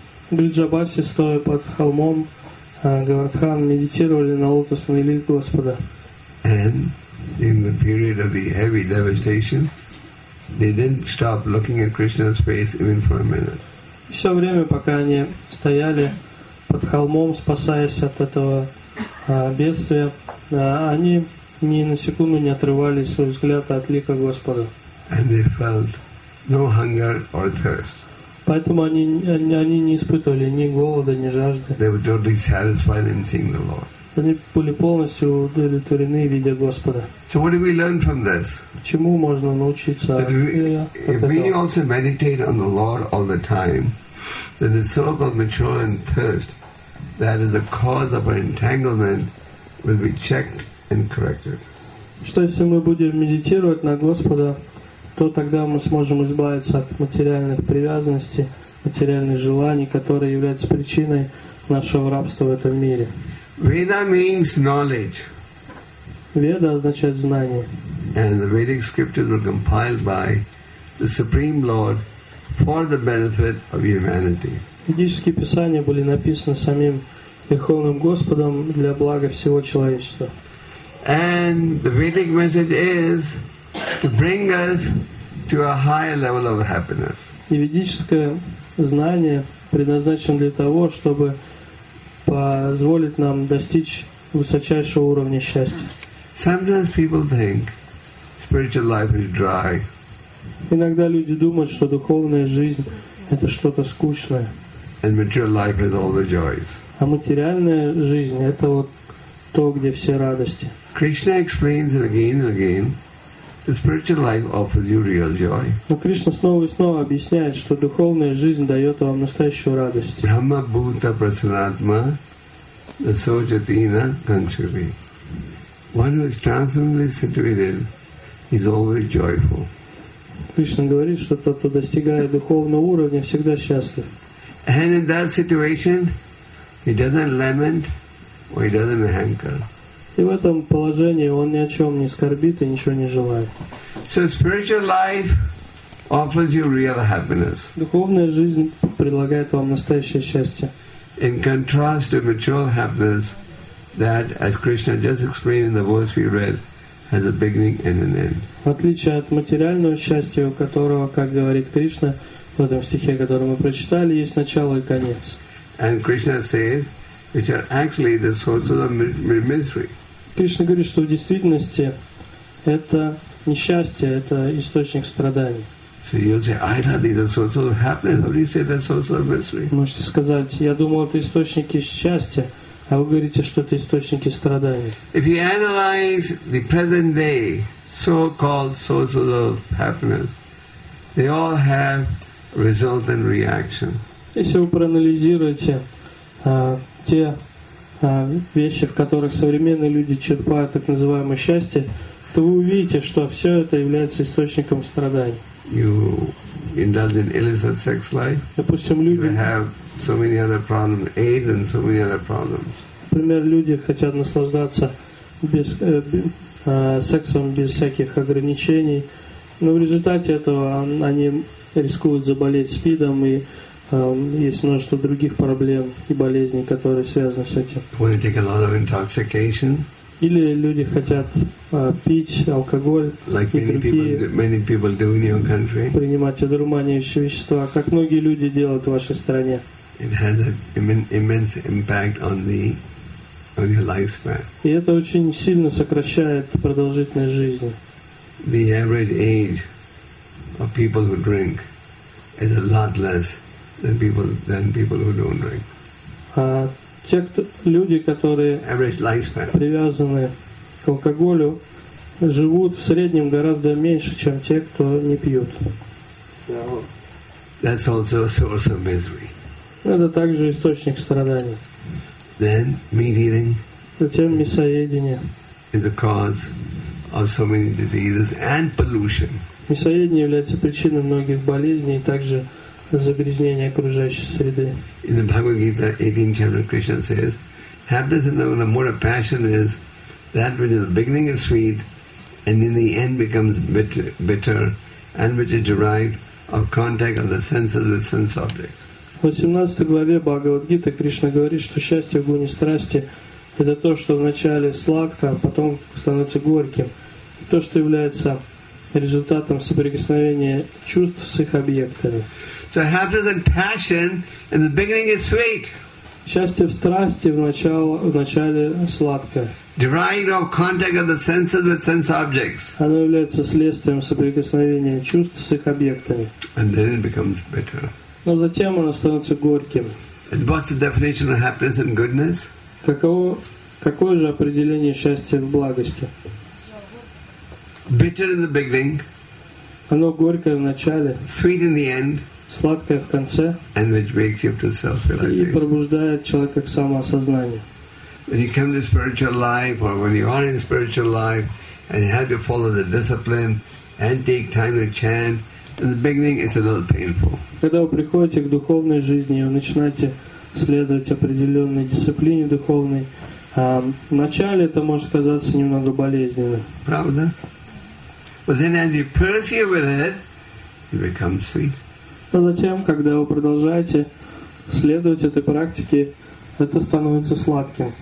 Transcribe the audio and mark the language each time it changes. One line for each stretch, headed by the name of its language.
Russian: Бриджабаси, стоя под холмом Говардхана, медитировали на лотосные лилии Господа.
English: And in the period of the heavy devastation, they didn't stop looking at Krishna's face even for a minute.
Russian: Все время, пока они стояли под холмом, спасаясь от этого бедствия, они ни на секунду не отрывали свой взгляд от лика Господа.
English: And they felt no hunger or thirst.
Russian: Поэтому они не испытывали ни голода, ни жажды.
English: They were totally satisfied in seeing the Lord.
Russian: Они были полностью удовлетворены, видя Господа.
English: So what do we learn from this?
Russian: Чему можно научиться?
English: If we also meditate on the Lord all the time, then the so-called material and thirst that is the cause of our entanglement will be checked and corrected.
Russian: Что если мы будем медитировать на Господа, то тогда мы сможем избавиться от материальных привязанностей, материальных желаний, которые являются причиной нашего рабства в этом мире.
English: Veda means knowledge.
Russian: Veda означает знание.
English: And the Vedic scriptures were compiled by the Supreme Lord for the benefit of humanity.
Russian: Ведические писания были написаны самим Верховным Господом для блага всего человечества.
English: And the Vedic message is to bring us to a higher level of happiness.
Russian: И ведическое знание предназначено для того, чтобы позволит нам достичь высочайшего уровня счастья.
English: Sometimes people think spiritual life is dry.
Russian: Иногда люди думают, что духовная жизнь это что-то скучное.
English: And material life is all the joys.
Russian: А материальная жизнь это вот то, где все радости.
English: Krishna explains it again and again. The spiritual life offers you real joy.
Russian: Но Кришна снова и снова объясняет, что духовная жизнь дает вам настоящую радость.
Sanskrit: Brahma Bhuta Prasanatma Sojatina Kanchari.
English: One who is transcendently situated is always joyful.
Russian: Кришна говорит, что тот, кто достигает духовного уровня, всегда счастлив.
English: And in that situation, he doesn't lament or he doesn't hanker.
Russian: И в этом положении он ни о чем не скорбит и ничего не желает.
English: So spiritual life offers you real happiness.
Russian: Духовная жизнь предлагает вам настоящее счастье.
English: In contrast to material happiness, that, as Krishna just explained in the verse we read, has a beginning and an end.
Russian: В отличие от материального счастья, у которого, как говорит Кришна в этом стихе, который мы прочитали, есть начало и конец.
English: And Krishna says, which are actually the sources of misery.
Russian: Кришна говорит, что в действительности это несчастье, это источник страданий.
English: So you'll say, I thought these are sources of happiness. How do you say they're sources of misery?
Russian: Можете сказать, я думал, это источники счастья, а вы говорите, что это источники страданий.
English: If you analyze the present day so-called sources of happiness, they all have result and reaction.
Russian: Если вы проанализируете те вещи, в которых современные люди черпают так называемое счастье, то вы увидите, что все это является источником страданий.
English: You indulge in illicit sex life.
Russian: Допустим, люди,
English: you have so many other problems, AIDS and so many other problems.
Russian: Например, люди хотят наслаждаться без сексом без всяких ограничений, но в результате этого они рискуют заболеть СПИДом и есть множество других проблем и болезней, которые связаны с этим.
English: Take a lot of intoxication.
Russian: Или люди хотят пить алкоголь,
English: like
Russian: и другие,
English: many people do in your country.
Russian: Принимать одурманивающие вещества, как многие люди делают в вашей стране.
English: It has an immense impact on the of your lifespan.
Russian: И это очень сильно сокращает продолжительность жизни.
English: The average age of people who drink is a lot less than people who don't drink.
Russian: Те люди, которые привязаны к алкоголю, живут в среднем гораздо меньше, чем те, кто не пьет.
English: That's also a source of misery.
Russian: Это также источник страданий.
English: Then meat eating.
Russian: Затем мясоедение.
English: Is the cause of so many diseases and pollution.
Russian: Мясоедение является причиной многих болезней и также загрязнения окружающей среды.
English: In the Bhagavad Gita, 18th chapter, Krishna says, "Happiness in the mood of passion is that which in the beginning is sweet, and in the end becomes bitter, and which is derived of contact of the senses with sense objects."
Russian: В 18 главе Бхагавад Гиты Кришна говорит, что счастье в гуне страсти — это то, что вначале сладко, а потом становится горьким. И то, что является результатом соприкосновения чувств с их объектами.
English: So happiness and passion in the beginning is sweet.
Russian: Счастье в страсти вначале сладко.
English: Derived of contact of the senses with sense objects.
Russian: Оно является следствием соприкосновения чувств с их объектами.
English: And then it becomes bitter.
Russian: Но затем оно становится горьким.
English: And what's the definition of happiness and goodness?
Russian: Какое же определение счастья в благости?
English: Bitter in the beginning.
Russian: Оно горькое в начале.
English: Sweet in the end.
Russian: Сладкое в конце.
English: And which wakes you to self-realization.
Russian: И пробуждает человека к самоосознанию.
English: When you come to spiritual life, or when you are in spiritual life, and you have to follow the discipline and take time to chant, in the beginning it's a little painful.
Russian: Когда вы приходите к духовной жизни и вы начинаете следовать определенной дисциплине духовной, вначале это может казаться немного болезненным. Правда?
English: But then, as you persevere with it, it becomes sweet.
Russian: Но затем, когда вы продолжаете следовать этой практике, это становится сладким.